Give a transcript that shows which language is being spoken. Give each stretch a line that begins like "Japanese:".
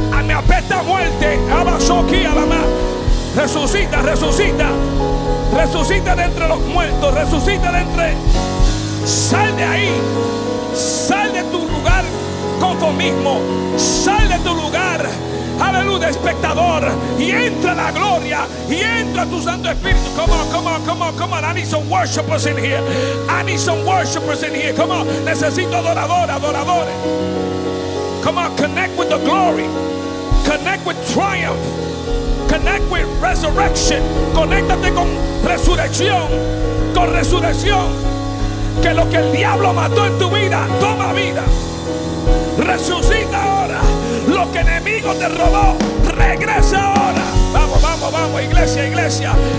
Spanish: Me apesta muerte. Abasó aquí, alamá. Resucita, resucita. Resucita de entre los muertos. Resucita de entre. Sal de ahí. Sal de tu lugar conformismo. Sal de tu lugar, aleluya, espectador. Y entra la gloria. Y entra tu Santo Espíritu.
English: Come on, come on, come on, come on. I need some worshipers in here. I need some worshipers in here. Come on.
Spanish: Necesito adoradores, adoradores.
English: Come on, connect with the glory. Connect with triumph. Connect with resurrection.
Spanish: Conéctate con resurrección. Con resurrección. Que lo que el diablo mató en tu vida, toma vida. Resucita ahora. Lo que el enemigo te robó, regresa ahora. Vamos, vamos, vamos. Iglesia, iglesia.